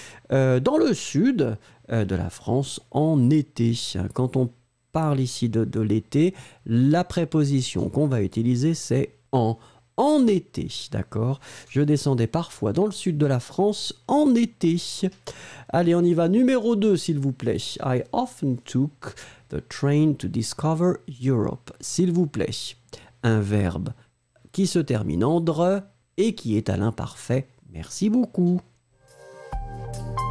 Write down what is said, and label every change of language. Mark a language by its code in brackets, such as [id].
[fr] Dans le sud de la France, en été, quand on parle ici de l'été, la préposition qu'on va utiliser, c'est « en ». En été, d'accord. Je descendais parfois dans le sud de la France en été. Allez, on y va. Numéro 2, s'il vous plaît. [en] I often took the train to discover Europe. [fr] S'il vous plaît. Un verbe qui se termine en « dre » et qui est à l'imparfait. Merci beaucoup. Yeah.